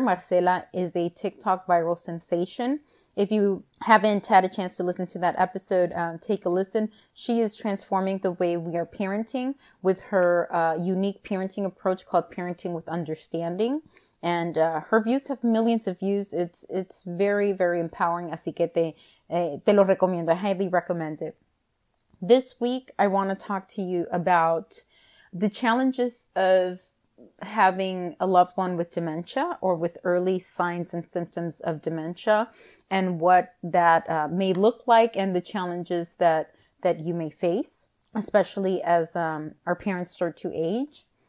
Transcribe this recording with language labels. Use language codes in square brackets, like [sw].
[en] Marcela is a TikTok viral sensation. If you haven't had a chance to listen to that episode, take a listen. She is transforming the way we are parenting with her unique parenting approach called Parenting with Understanding. And her views have millions of views. It's very, very empowering. [es] Así que te lo recomiendo. [en] I highly recommend it. This week, I want to talk to you about the challenges of having a loved one with dementia or with early signs and symptoms of dementia and what that may look like and the challenges that you may face, especially as our parents start to age.